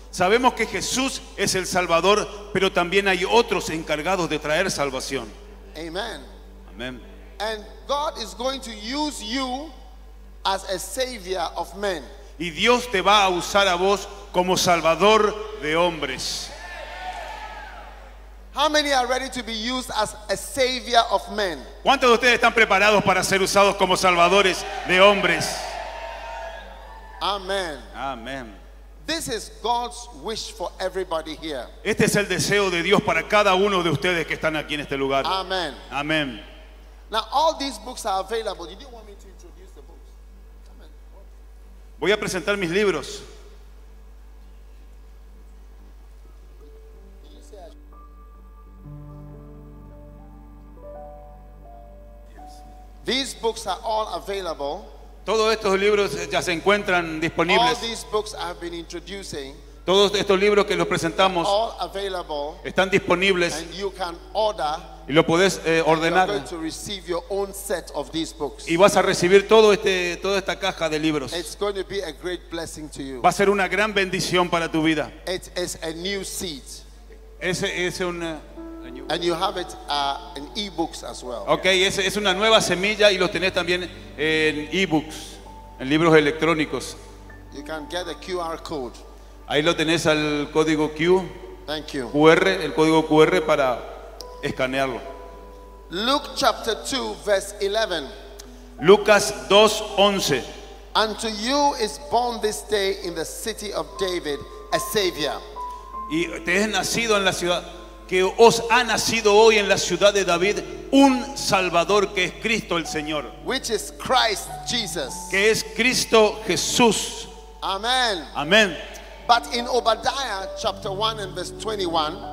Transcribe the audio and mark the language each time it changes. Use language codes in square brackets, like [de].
[es] Sabemos que Jesús es el salvador, pero también hay otros encargados de traer salvación. Amen. Amen. [en] And God is going to use you as a savior of men. [es] Y Dios te va a usar a vos como salvador de hombres. [en] How many are ready to be used as a savior of men? [es] ¿Cuántos de ustedes están preparados para ser usados como salvadores de hombres? Amen. Amen. [en] This is God's wish for everybody here. [es] Este es el deseo de Dios para cada uno de ustedes que están aquí en este lugar. Amen. Amen. [en] Now all these books are available. You didn't want me to introduce the books. Come on. [es] Voy a presentar mis libros. [en] These books are all available. [es] Todos estos libros ya se encuentran disponibles. [en] All these books I have been introducing. [es] Todos estos libros que los presentamos [en] all available, [es] están disponibles. [en] And you can order, [es] y lo puedes ordenar. [en] You are going to receive your own set of these books. [es] Y vas a recibir todo este, toda esta caja de libros. [en] It's going to be a great blessing to you. [es] Va a ser una gran bendición para tu vida. [en] It is a new seed. And you have it in e-books as well. [es] Okay, es una nueva semilla y lo tenés también en e-books, en libros electrónicos. [en] You can get a QR code. [es] Ahí lo tenés al código Q. [en] Thank you. [es] QR, el código QR para escanearlo. [en] Luke chapter 2 verse 11. [es] Lucas 2:11. [en] Unto you is born this day in the city of David a savior. [es] Y te es nacido en la ciudad que os ha nacido hoy en la ciudad de David un Salvador que es Cristo el Señor. [en] Which is Christ Jesus. [es] Que es Cristo Jesús. Amen. Amen. [en] But in Obadiah chapter 1 and verse 21.